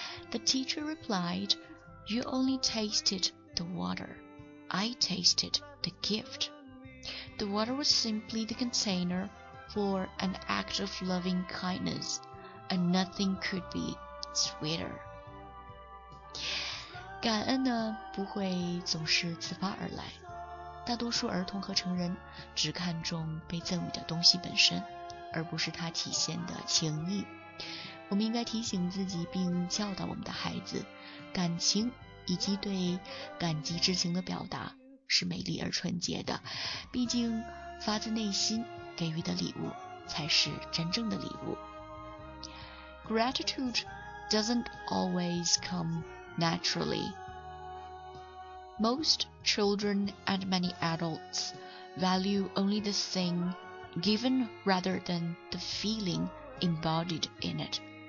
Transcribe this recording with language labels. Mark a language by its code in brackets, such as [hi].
[en] The teacher replied, You only tasted the water. I tasted the gift. The water was simply the container for an act of loving kindness, and nothing could be sweeter. [zh] 感恩呢，不会总是自发而来。大多数儿童和成人只看重被赠予的东西本身，而不是它体现的情谊。我们应该提醒自己并教导我们的孩子，感情以及对感激之情的表达是美丽而纯洁的，毕竟发自内心给予的礼物才是真正的礼物。 [en] Gratitude doesn't always come naturally. Most children and many adults value only the thingGiven rather than the feeling embodied in it.